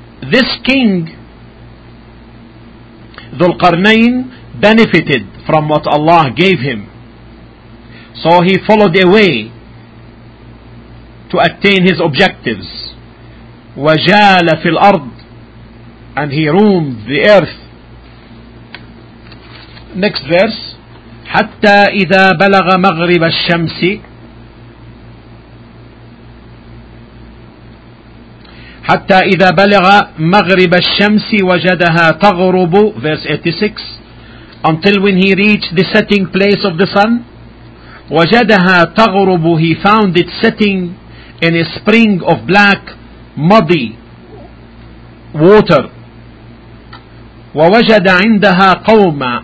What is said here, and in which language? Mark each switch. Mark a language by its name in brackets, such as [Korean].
[English] This king, Dhulqarnain, benefited from what Allah gave him. So he followed a way to attain his objectives. [Arabic] وَجَالَ فِي الْأَرْضِ, [English] and he roamed the earth. next verse, [Arabic] حتى إذا بلغ مغرب الشمس. حتى إذا بلغ مغرب الشمس وجدها تغرب. [English] Verse 86. Until when he reached the setting place of the sun, [Arabic] وجدها تغرب. [English] He found it setting in a spring of black, muddy water. [Arabic] ووجد عندها قوما.